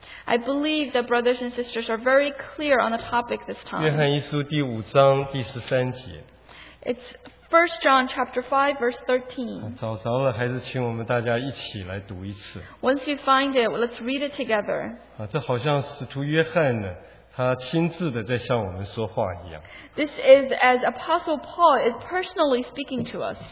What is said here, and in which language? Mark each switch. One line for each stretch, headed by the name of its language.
English: I believe that brothers and sisters are very clear on the topic this time.
Chinese: 约翰一书第五章第十三节。
English: It's 1 John chapter 5 verse 13.
Chinese: 找着了，还是请我们大家一起来读一次。
English: Once you find it, let's read it together.
Chinese: 这好像使徒约翰呢，他亲自的在向我们说话一样。
English: This is as Apostle Paul is personally speaking to us.